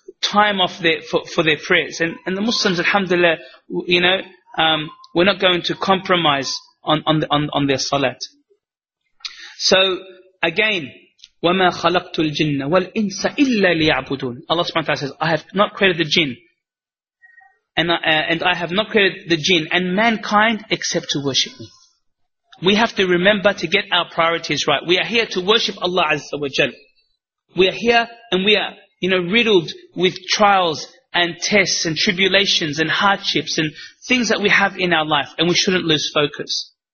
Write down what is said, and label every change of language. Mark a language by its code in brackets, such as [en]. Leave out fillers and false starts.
[en] time off for their prayers. And the Muslims, alhamdulillah, you know, we're not going to compromise on their salat. So again, [ar] وَمَا خَلَقْتُ الْجِنَّ وَالْإِنسَ إِلَّا لِيَعْبُدُونَ. [en] Allah subhanahu wa ta'ala says, I have not created the jinn, and I have not created the jinn and mankind except to worship me. We have to remember to get our priorities right. We are here to worship Allah Azza wa Jal. We are here and we are, you know, riddled with trials and tests and tribulations and hardships and things that we have in our life, and we shouldn't lose focus.